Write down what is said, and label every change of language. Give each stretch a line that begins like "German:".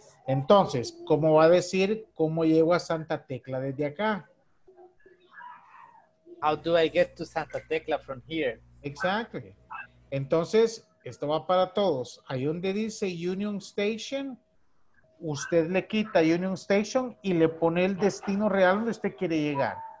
Spanish: Entonces, ¿cómo va a decir cómo llego a Santa Tecla desde acá?
English: How do I get to Santa Tecla from here?
Spanish: Exactly. Entonces, esto va para todos. Ahí donde dice Union Station, usted le quita Union Station y le pone el destino real donde usted quiere llegar.